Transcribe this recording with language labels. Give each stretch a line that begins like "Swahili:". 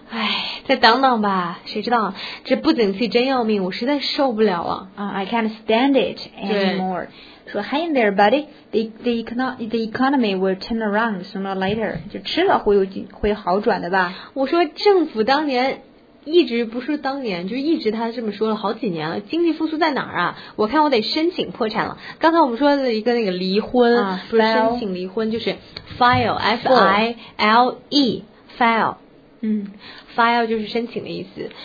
Chinese: 唉，再等等吧，谁知道，这不景气真要命，我实在受不了了。
English: I can't stand it anymore.
Chinese: 说
English: hang in there, buddy. The economy will turn around sooner or later.
Chinese: 就迟早会好转的吧。我说政府当年一直不是当年，就一直他这么说了好几年了。经济复苏在哪儿啊？我看我得申请破产了。刚才我们说的一个那个离婚，不是申请离婚，就是 file，file 就是申请的意思。